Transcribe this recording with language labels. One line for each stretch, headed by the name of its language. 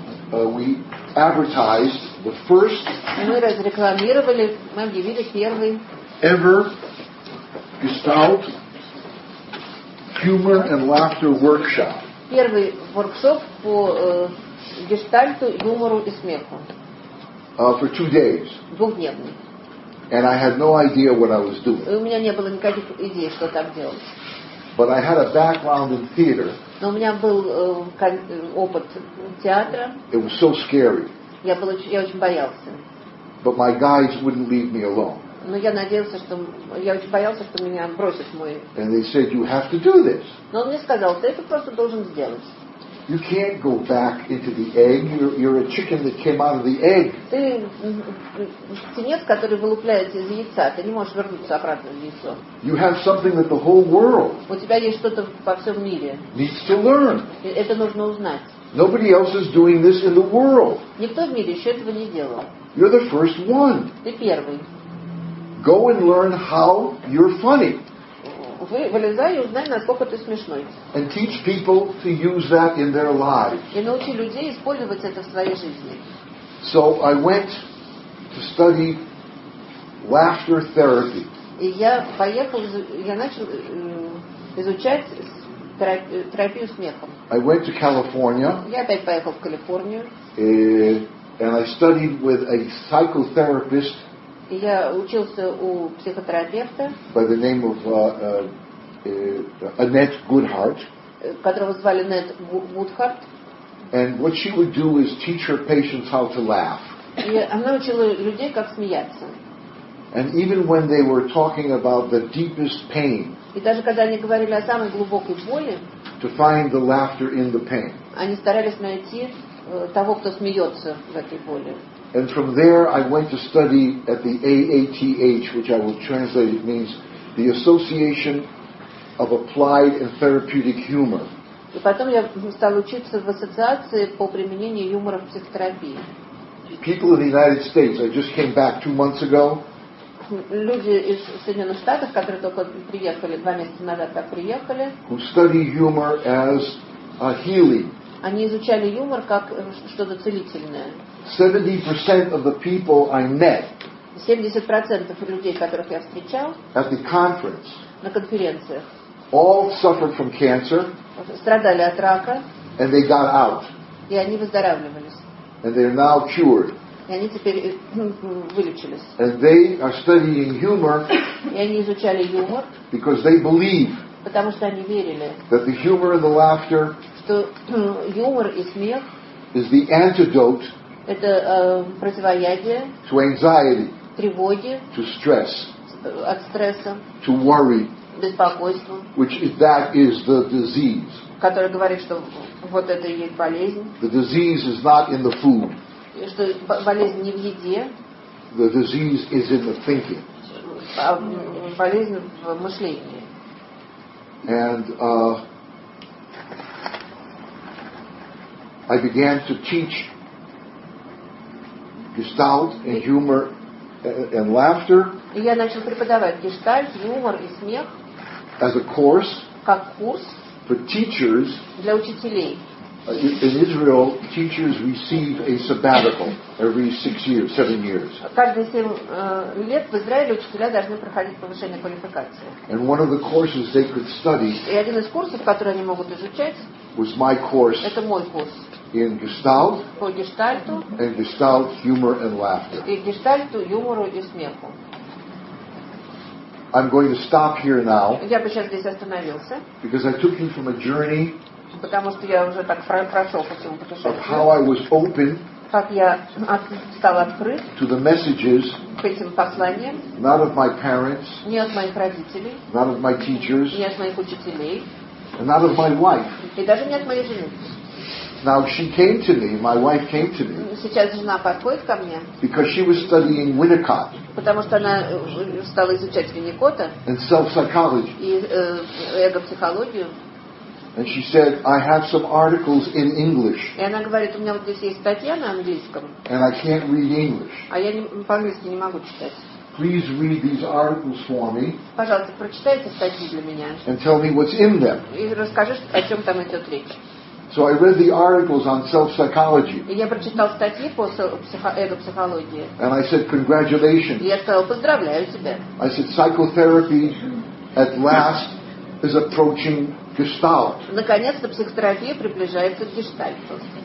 English: We advertised the first
Russian: мы разрекламировали, мы объявили первый
English: ever Gestalt humor and laughter workshop.
Russian: Первый воркшоп по гештальту, юмору и смеху.
English: For 2 days.
Russian: Двухдневный.
English: And I had no idea what I was doing.
Russian: У меня не было никаких идей, что так делать.
English: But I had a background in theater.
Russian: Но у меня был опыт театра.
English: It was so scary.
Russian: Я очень боялся.
English: But my guides wouldn't leave me alone.
Russian: Но я надеялся, что я очень боялся, что меня бросит мой.
English: And they said you have to do this.
Russian: Но он мне сказал, ты это просто должен сделать.
English: You can't go back into the egg. You're a chicken that came out of the egg.
Russian: Ты птенец, который вылупляется из яйца. Ты не можешь вернуться обратно в яйцо.
English: You have something that the whole world.
Russian: У тебя есть что-то во всем мире.
English: Needs to learn.
Russian: Это нужно узнать.
English: Nobody else is doing this in the world.
Russian: Никто в мире еще этого не делал.
English: You're the first one.
Russian: Ты первый.
English: Go and learn how you're funny.
Russian: Вылезай и узнай, насколько ты смешной.
English: And teach people to use that in their lives.
Russian: И научи людей использовать это в своей жизни.
English: So I went to study laughter therapy.
Russian: И я поехал, я начал изучать терапию смехом.
English: I went to California.
Russian: Я опять поехал в Калифорнию.
English: And I studied with a psychotherapist.
Russian: Я учился у психотерапевта.
English: By the name of Annette Goodhart.
Russian: Которого звали Нет Гудхарт.
English: And what she would do is teach her patients how to laugh.
Russian: И она учила людей, как смеяться.
English: And even when they were talking about the deepest pain,
Russian: и даже когда они говорили о самой глубокой боли,
English: to find the laughter in the pain,
Russian: они старались найти того, кто смеется в этой боли.
English: And from there I went to study at the AATH, which I will translate, it means the Association of Applied and Therapeutic Humor.
Russian: И потом я стал учиться в ассоциации по применению юмора в психотерапии.
English: People in the United States, I just came back 2 months ago.
Russian: Люди из Соединенных Штатов, которые только приехали, 2 месяца назад так приехали,
English: who study humor as a healing.
Russian: Они изучали юмор как что-то целительное.
English: 70% of the people I met,
Russian: 70% людей, которых я встречал,
English: at the conference,
Russian: на конференциях,
English: all suffered from cancer,
Russian: страдали от рака,
English: and they got out,
Russian: и они выздоравливались,
English: and they are now cured,
Russian: и они теперь вылечились,
English: and they are studying humor,
Russian: и они изучали юмор,
English: because they believe,
Russian: потому что они верили,
English: that the humor and the laughter,
Russian: что юмор и смех,
English: is the antidote,
Russian: это противоядие,
English: to anxiety,
Russian: тревоги,
English: to stress,
Russian: от стресса,
English: to worry,
Russian: беспокойство,
English: which is, that is the disease,
Russian: который говорит, что вот это и есть болезнь.
English: The disease is not in the food.
Russian: Что болезнь не в еде.
English: The disease is in the thinking.
Russian: А болезнь в мышлении.
English: And I began to teach gestalt and humor and laughter.
Russian: И я начал преподавать гештальт, юмор и смех.
English: As a course,
Russian: как курс,
English: for teachers,
Russian: для учителей.
English: In Israel, teachers receive a sabbatical every 6 years, 7 years.
Russian: Каждые 7 лет в Израиле учителя должны проходить повышение квалификации.
English: And one of the courses they could study,
Russian: и один из курсов, который они могут изучать,
English: was my course,
Russian: это мой курс,
English: in gestalt,
Russian: по гештальту,
English: and gestalt, humor and laughter,
Russian: и гештальту, юмору и смеху.
English: I'm going to stop here now.
Russian: Я бы сейчас здесь остановился.
English: Because I took you from a journey.
Russian: Потому что я уже так прошел по всему путешествию.
English: Of how I was open.
Russian: Как я стал открыт.
English: To the messages.
Russian: К этим посланиям.
English: Not of my parents.
Russian: Не от моих родителей.
English: Not of my teachers.
Russian: Не от моих учителей.
English: And not of my wife.
Russian: И даже не от моей жены.
English: Now she came to me, my wife came to me.
Russian: Сейчас жена подходит ко мне.
English: Because she was studying Winnicott.
Russian: Потому что она стала изучать Винникотта.
English: And self-psychology.
Russian: И эго-психологию.
English: And she said, I have some articles in English.
Russian: И она говорит, у меня вот здесь есть статья на английском.
English: And I can't read English.
Russian: А я по-английски не могу читать.
English: Please read these articles for me.
Russian: Пожалуйста, прочитай эти статьи для меня.
English: And tell me what's in them.
Russian: И расскажи, о чем там идет речь.
English: So I read the articles on self-psychology.
Russian: И я прочитал статьи по эго-психологии.
English: And I said, congratulations.
Russian: И я сказал, поздравляю тебя.
English: I said, psychotherapy at last is approaching gestalt.
Russian: Наконец-то психотерапия приближается к гештальту.